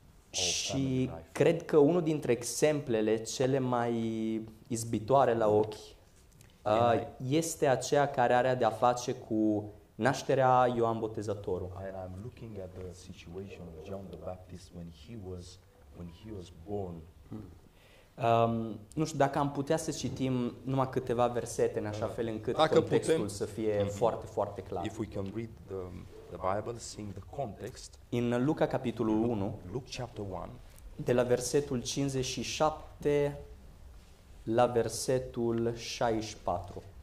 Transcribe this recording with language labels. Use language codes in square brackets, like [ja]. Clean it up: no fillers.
[ro] Și cred că unul dintre exemplele cele mai izbitoare la ochi este aceea care are de-a face cu nașterea Ioan Botezătorul. [en] And I'm looking at the situation of John the Baptist when he was born. [ro] Nu știu dacă am putea să citim numai câteva versete în așa fel încât contextul putem, să fie foarte, foarte clar. [en] If we can read the Bible, seeing the context. [ro] In Luca capitolul 1, [en] Luke chapter 1, [ro] de la versetul 57 la versetul 64.